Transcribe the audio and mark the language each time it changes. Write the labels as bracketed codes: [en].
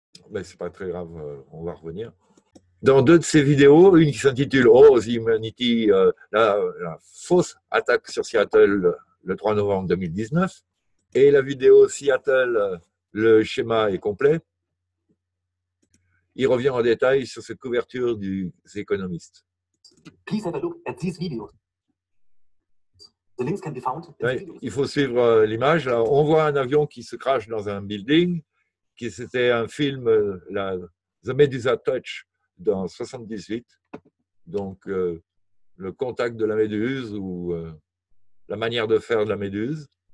[fr] Mais ce n'est pas très grave, on va revenir. Dans deux de ces vidéos, une qui s'intitule « Oh, Humanity, la fausse attaque sur Seattle le 3 novembre 2019 », et la vidéo « Seattle, le schéma est complet », il revient en détail sur cette couverture du The Economist. [en] Please have a look at these videos. The links can be found in the videos. [fr] Il faut suivre l'image. Là, on voit un avion qui se crache dans un building. Qui, c'était un film, The Medusa Touch, dans 78. Donc, le contact de la méduse ou la manière de faire de la méduse.